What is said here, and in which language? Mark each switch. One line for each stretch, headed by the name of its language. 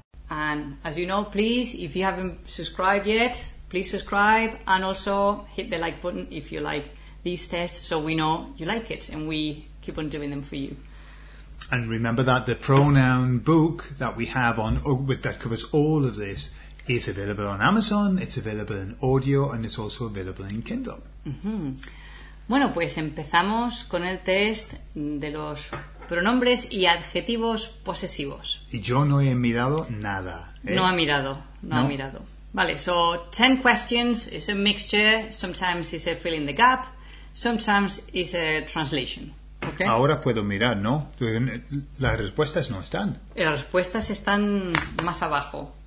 English: And as you know, please, if you haven't subscribed yet, please subscribe and also hit the like button if you like these tests so we know you like it and we keep on doing them for you. And remember that the pronoun book that we have on that covers all of this is available on Amazon, it's available in audio, and it's also available in Kindle. Mm-hmm.
Spanish: Bueno, pues empezamos con el test de los pronombres y adjetivos posesivos. Y yo no he mirado nada. No ha mirado. Vale,
English: so 10 questions, it's a mixture, sometimes it's a fill in the gap, sometimes it's a translation. Okay.
Spanish: Ahora puedo mirar, ¿no? Las respuestas no están. Las respuestas están más abajo.